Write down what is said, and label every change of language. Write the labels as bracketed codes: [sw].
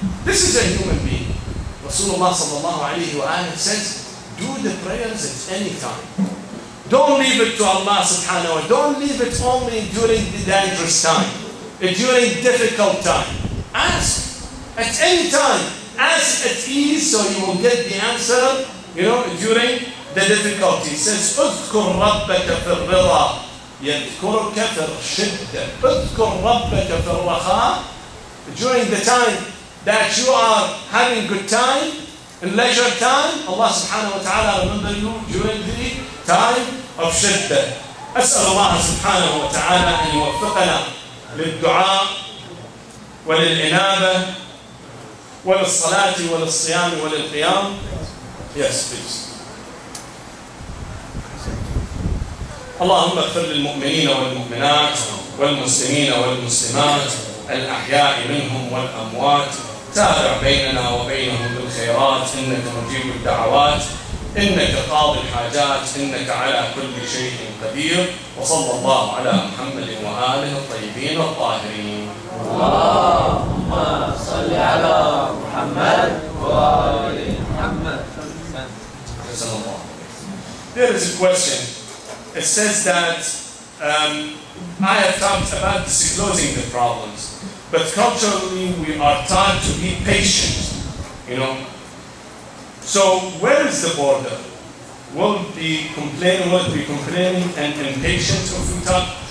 [en] This is a human being. Rasulullah sallallahu alayhi wa sallam says, do the prayers at any time. Don't leave it to Allah subhanahu wa ta'ala. Don't leave it only during the dangerous time, during difficult time. Ask at any time. Ask at ease so you will get the answer, you know, during the difficulty. It says, [ar] اذكر ربك في الرضا يذكرك في الشدة. اذكر ربك في الرخاء. [en] During the time that you are having good time, in leisure time, Allah subhanahu wa ta'ala remember you during the time of shiddah. [ar] أسأل الله سبحانه وتعالى أن يوفقنا للدعاء وللإنابة وللصلاة وللصيام وللقيام. [en] Yes, please. [ar] اللهم اغفر للمؤمنين والمؤمنات والمسلمين والمسلمات الأحياء منهم والأموات. تابع بيننا وبينهم بالخيرات، إنك مجيب الدعوات، إنك قاضي الحاجات، إنك على كل شيء قدير. وصلى الله على محمد وآله الطيبين الطاهرين. اللهم صل على محمد وآل محمد. جزاك الله. [en] There is a question. It says that I have talked about disclosing the problems, but culturally we are taught to be patient. You know. So where is the border? Will be complaining, will be complaining and impatience if we talk?